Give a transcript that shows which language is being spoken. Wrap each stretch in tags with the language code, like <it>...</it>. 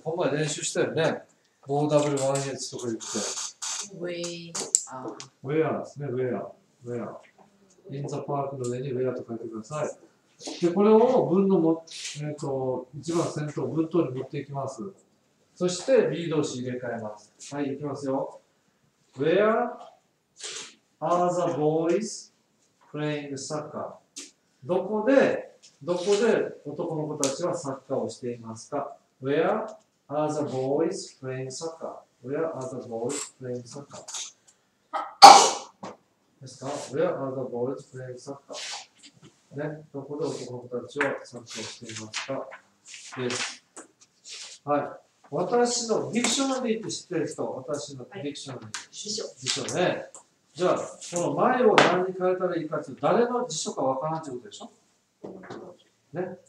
<ja>今回練習したよね。OW1H とか言って。</ja> <en>Where</en> <ja>ですね、</ja> <en>Where。Where。 In the park</en> <ja>の上に Where と書いてください。で、これを文のも、一番先頭、文頭に持っていきます。そして B 動詞入れ替えます。はい、いきますよ。</ja> <en>Where are the boys playing soccer?</en> <ja>どこで男の子たちはサッカーをしていますか ?</ja> <en>Where are the boys playing soccer? Where are the boys playing soccer?</en> <ja>ですか</ja> <en>?Where are the boys playing soccer?</en> <ja>ね、どこで男の子たちはサッカーをしていますか？です。はい。私のディクショナリーって知ってる人、私のディクショナリー。辞書。辞書ね。じゃあ、この前を何に変えたらいいかっていう、誰の辞書かわからんってことでしょ？ね。</ja>